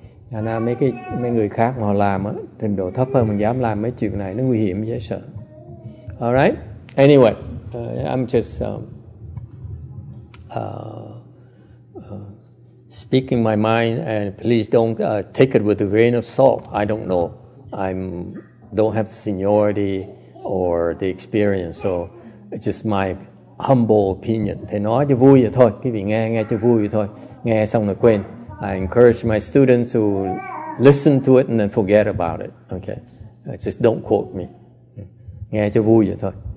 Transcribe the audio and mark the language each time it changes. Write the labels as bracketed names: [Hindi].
[Vietnamese] Thành ra mấy người khác mà họ làm á, trình độ thấp hơn mình dám làm mấy chuyện này, nó nguy hiểm dễ sợ. [English] All right? Anyway, I'm just speaking my mind, and please don't take it with a grain of salt. I don't know. I don't have the seniority or the experience, so it's just my humble opinion. [Vietnamese] Thầy nói cho vui vậy thôi, quý vị nghe cho vui vậy thôi, nghe xong rồi quên. [English] I encourage my students to listen to it and then forget about it. Okay, just don't quote me. [Vietnamese] Nghe cho vui vậy thôi.